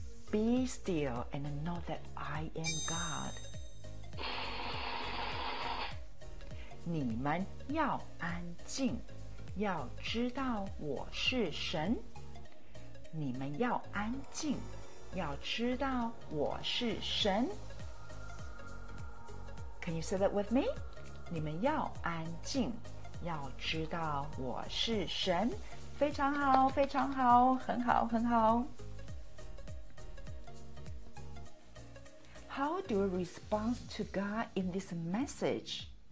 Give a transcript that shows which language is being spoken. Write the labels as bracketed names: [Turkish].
[English] Be still and know that I am God. [Chinese] 你们要安静，要知道我是神。你们要安静，要知道我是神。 [English] Can you say that with me? [Chinese] 你们要安静，要知道我是神。非常好，非常好，很好，很好。 [English] How do you respond to God in this message?